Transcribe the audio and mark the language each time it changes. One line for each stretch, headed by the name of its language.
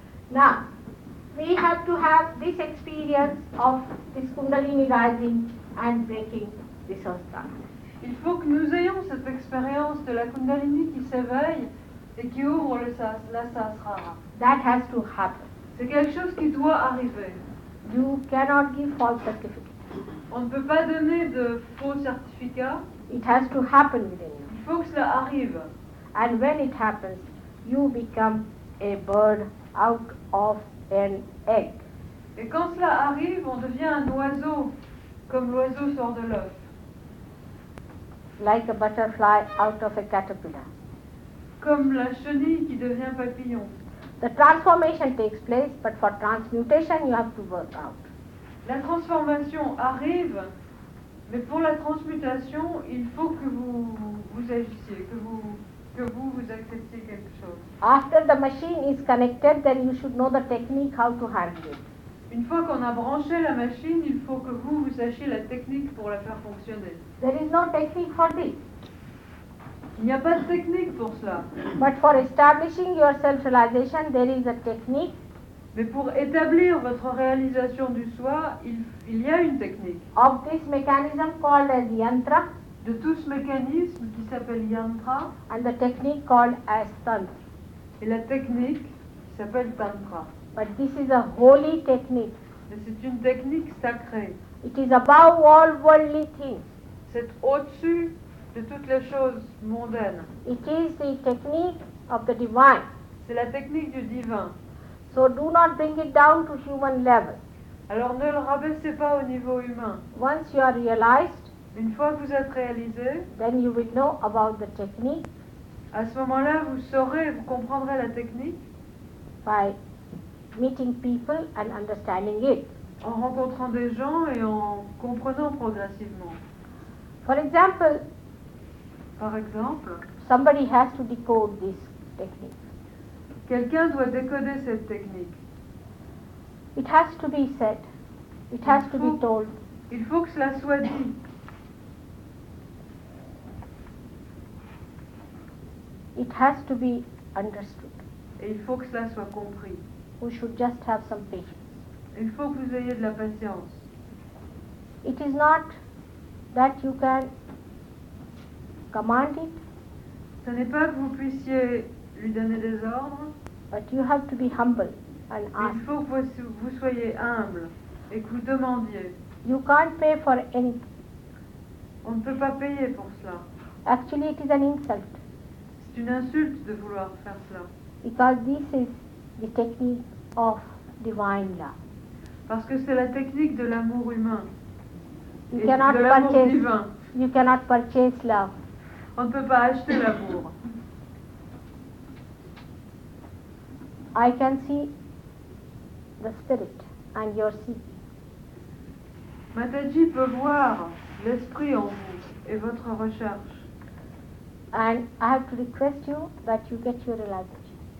English: Now, we have to have this experience of this Kundalini rising and breaking this Astra.
French: Il faut que nous ayons cette expérience de la Kundalini qui s'éveille et qui ouvre le sasra.
English: That has to happen.
French: C'est quelque chose qui doit arriver.
English: You cannot give false certificates.
French: On ne peut pas donner de faux certificats.
English: It has to happen within you.
French: Il faut que cela arrive.
English: And when it happens, you become a bird out of an egg.
French: Et quand cela arrive, on devient un oiseau, comme l'oiseau sort de l'œuf.
English: Like a butterfly out of a caterpillar.
French: Comme la chenille qui devient papillon.
English: The transformation takes place, but for transmutation, you have to work out.
French: La transformation arrive, mais pour la transmutation, il faut que vous agissiez, que vous acceptiez quelque chose.
English: After the machine is connected, then you should know the technique how to handle it.
French: Une fois qu'on a branché la machine, il faut que vous sachiez la technique pour la faire fonctionner.
English: There is no technique for this.
French: Il n'y a pas de technique pour cela.
English: But for establishing your self-realization, there is a technique.
French: Mais pour établir votre réalisation du soi, il y a une technique.
English: Of this mechanism called as yantra.
French: De tout ce mécanisme qui s'appelle yantra.
English: And the technique called as tantra.
French: Et la technique qui s'appelle tantra.
English: But this is a holy technique.
French: Mais c'est une technique sacrée.
English: It is above all worldly things.
French: C'est au-dessus de toutes les choses mondaines.
English: It is the technique of the divine.
French: C'est la technique du divin.
English: So do not bring it down to human level.
French: Alors ne le rabaissez pas au niveau humain.
English: Once you are realized.
French: Une fois que vous êtes réalisé,
English: then you will know about the technique.
French: À ce moment-là, vous saurez, vous comprendrez la technique.
English: By meeting people and understanding it.
French: En rencontrant des gens et en comprenant progressivement. Par exemple,
English: somebody has to decode this technique.
French: Quelqu'un doit décoder cette technique.
English: It has to be said. It has to be told.
French: Il faut que cela soit dit.
English: It has to be understood.
French: Et il faut que cela soit compris.
English: We should just have some patience.
French: Il faut que vous ayez de la patience.
English: It is not that you can command it.
French: Ce n'est pas que vous puissiez lui donner des ordres.
English: But you have to be humble and ask.
French: Il faut que vous soyez humble et que vous demandiez.
English: You can't pay for anything.
French: On ne peut pas payer pour cela.
English: Actually, it is an insult.
French: C'est une insulte de vouloir faire cela.
English: Because this is the technique of divine love.
French: Parce que c'est la technique de l'amour humain.
English: You cannot
French: de l'amour
English: purchase,
French: divin.
English: You cannot purchase love.
French: On ne peut pas acheter l'amour.
English: I can see the spirit and your seeking.
French: Mataji peut voir l'esprit en vous et votre recherche.
English: And I have to request you that you get your realization.